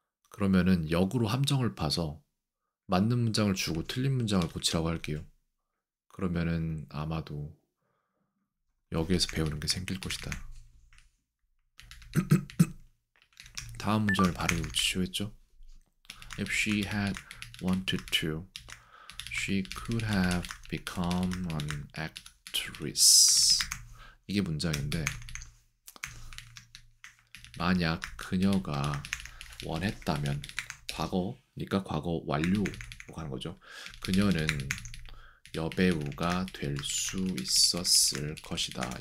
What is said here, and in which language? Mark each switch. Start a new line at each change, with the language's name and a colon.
Korean: 그러면은 역으로 함정을 파서 맞는 문장을 주고 틀린 문장을 고치라고 할게요. 그러면은 아마도 여기에서 배우는 게 생길 것이다. 다음 문장을 바로 붙이죠 했죠?
English: If she had wanted to, she could have become an actress.
Korean: 이게 문장인데 만약 그녀가 원했다면 과거니까 과거 완료로 가는 거죠. 그녀는 여배우가 될 수 있었을 것이다.